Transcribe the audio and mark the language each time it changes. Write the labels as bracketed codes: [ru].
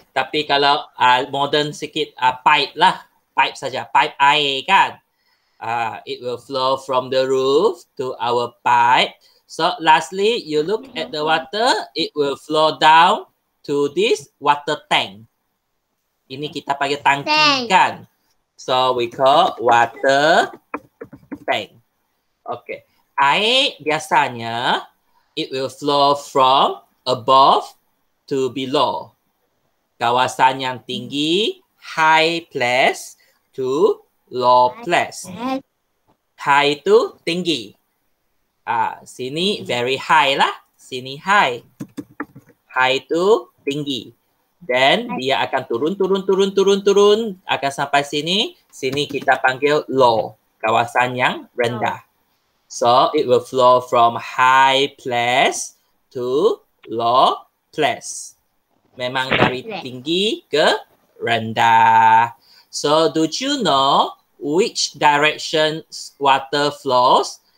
[ms] Tapi kalau modern sikit, pipe lah. Pipe saja. Pipe air kan? [en] It will flow from the roof to our pipe. So lastly, you look at the water. It will flow down to this water tank. [ms] Ini kita panggil tangki kan? [en] So we call water tank. Okay. [ms] Air biasanya, [en] it will flow from above to below. [ms] Kawasan yang tinggi, [en] high place to low place. [ms] High to tinggi. [en] Sini very high lah. [ms] Sini high. High to tinggi. Then dia akan turun, turun, turun, turun, turun. Akan sampai sini. Sini kita panggil low. Kawasan yang rendah. [en] So it will flow from high place to low place. [ms] Memang dari tinggi ke rendah. [en] So do you know which direction water flows?